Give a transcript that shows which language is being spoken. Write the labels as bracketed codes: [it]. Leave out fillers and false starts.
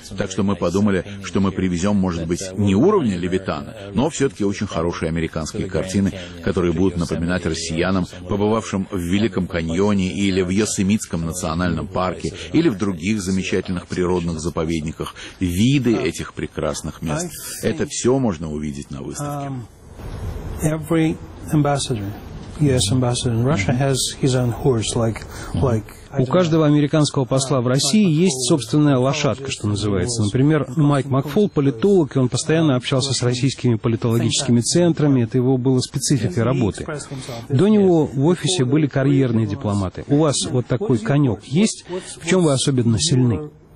[ru] Так что мы подумали, что мы привезем, может быть, не уровня Левитана, но все-таки очень хорошие американские картины, которые будут напоминать россиянам, побывавшим в Великом каньоне или в Йосемитском национальном парке, или в других замечательных природных заповедниках, виды этих прекрасных мест. Это все можно увидеть на выставке. [en] Every ambassador, US ambassador in Russia has his own horse, like [ru] У каждого американского посла в России есть собственная лошадка, что называется. Например, Майк Макфол – политолог, и он постоянно общался с российскими политологическими центрами. Это его было спецификой работы. До него в офисе были карьерные дипломаты. У вас вот такой конек есть? В чем вы особенно сильны?